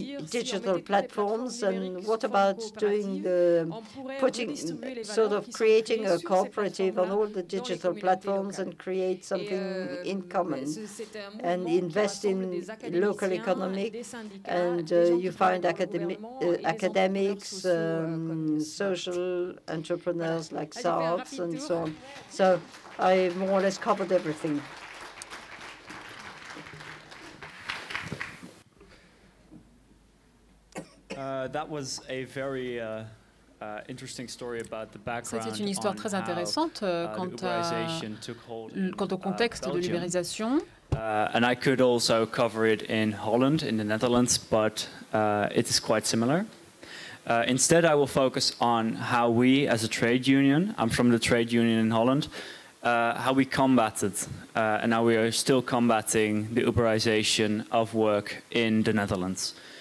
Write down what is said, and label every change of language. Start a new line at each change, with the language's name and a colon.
English: digital platforms, and what about doing the creating a cooperative on all the digital platforms and create something in common and invest in local economy, and you find academics, social entrepreneurs like SARS and so on. So I more or less covered everything. That was a very interesting story about the background.
French: C'était une histoire très intéressante quant au contexte de l'ubérisation.
English: And I could also cover it in Holland, in the Netherlands, but it is quite similar. Instead, I will focus on how we, as a trade union, I'm from the trade union in Holland, how we combated and how we are still combating the uberization of work in the Netherlands.